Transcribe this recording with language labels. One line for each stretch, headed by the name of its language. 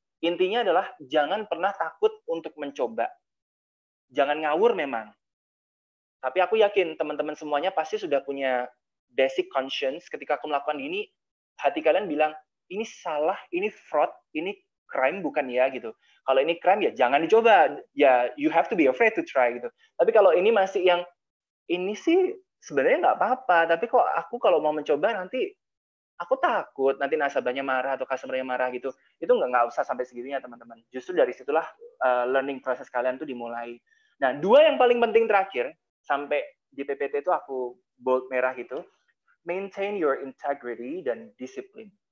Indonesian: Intinya adalah jangan pernah takut untuk mencoba. Jangan ngawur memang. Tapi aku yakin teman-teman semuanya pasti sudah punya basic conscience ketika aku melakukan ini, hati kalian bilang, ini salah, ini fraud, ini crime bukan ya gitu. Kalau ini crime ya jangan dicoba.
English: Ya you have to be afraid to try
Indonesian: gitu. Tapi kalau ini masih yang, ini sih sebenarnya nggak apa-apa, tapi kok aku kalau mau mencoba nanti, aku takut nanti nasabahnya marah atau customer-nya marah gitu. Itu nggak usah sampai segitunya, teman-teman. Justru dari situlah learning proses kalian tuh dimulai. Nah, dua yang paling penting terakhir, sampai di PPT itu aku bold merah gitu,
English: maintain your integrity
Indonesian: dan discipline.